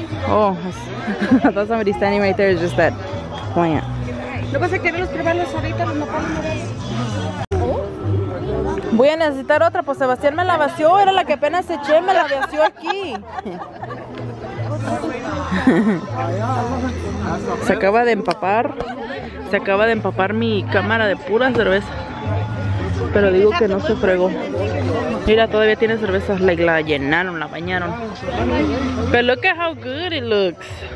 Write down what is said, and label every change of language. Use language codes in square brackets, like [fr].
[en] Oh, I thought somebody standing right there is just that plant. [es] Lo que pasa es que quiero probarlos ahorita, no puedo. Voy a necesitar otra, pues Sebastián me la vació, era la que apenas eché, me la vació aquí. Se acaba de empapar. se acaba de empapar mi cámara de pura cerveza. Pero digo que no se fregó. Mira, todavía tiene cervezas. Like, la llenaron, la bañaron. [en] But look at how good it looks.